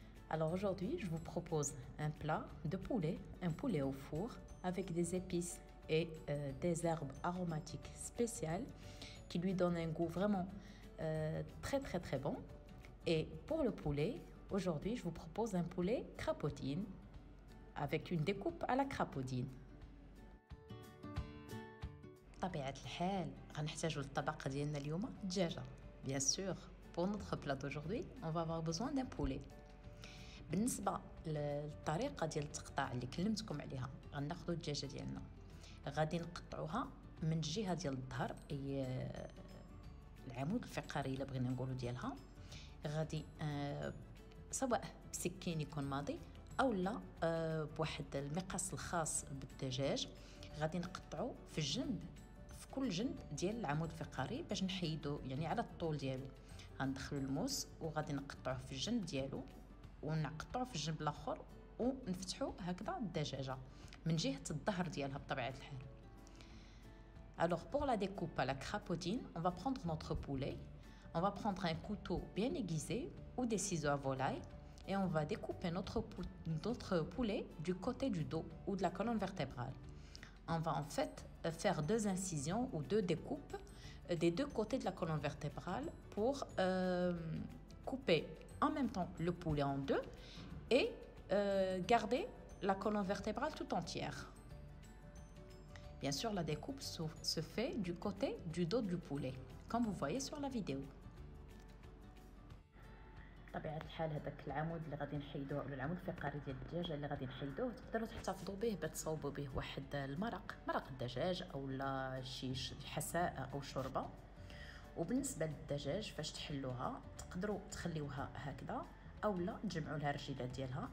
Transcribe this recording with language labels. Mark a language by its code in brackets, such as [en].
[fr] Alors aujourd'hui, je vous propose un plat de poulet, un poulet au four avec des épices et des herbes aromatiques spéciales qui lui donnent un goût vraiment très très très bon. Et pour le poulet, aujourd'hui, je vous propose un poulet crapaudine avec une découpe à la crapaudine. [ar] طبيعة الحال غنحتاجو للطبق ديالنا اليوم دجاجة. [fr] Bien sûr, pour notre plat d'aujourd'hui, on va avoir besoin d'un poulet. [ar] بالنسبة للطريقة ديال التقطاع اللي كلمتكم عليها، غناخدو الدجاجة ديالنا، غادي نقطعوها من الجهة ديال الظهر، أي العمود الفقري إلا بغينا نقولو ديالها، غادي سواء بسكين يكون ماضي أو لا بواحد المقص الخاص بالدجاج، غادي نقطعو في الجنب، في كل جنب ديال العمود الفقري باش نحيدو يعني على الطول ديالو. غندخلو الموس وغادي نقطعوه في الجنب ديالو ونقطعو في الجنب الاخر ونفتحو هكذا الدجاجة من جهة الظهر ديالها بطبيعة الحال. [fr] Alors pour la découpe à la crapaudine, on va prendre notre poulet. On va prendre un couteau bien aiguisé ou des ciseaux à volaille et on va découper notre poulet du côté du dos ou de la colonne vertébrale. On va en fait faire deux incisions ou deux découpes des deux côtés de la colonne vertébrale pour couper en même temps le poulet en deux et garder la colonne vertébrale tout entière. Bien sûr, la découpe se fait du côté du dos du poulet, comme vous voyez sur la vidéo. [ar] طبيعة الحال هذاك العمود اللي غادي نحيدوه ولا العمود الفقري ديال الدجاجة اللي غادي نحيدوه تقدروا تحتفظوا به باش تصاوبوا به واحد المرق، مرق الدجاج او لا شي حساء او شوربة. وبالنسبة للدجاج فاش تحلوها تقدروا تخليوها هكذا او لا تجمعوا لها الرجيلات ديالها.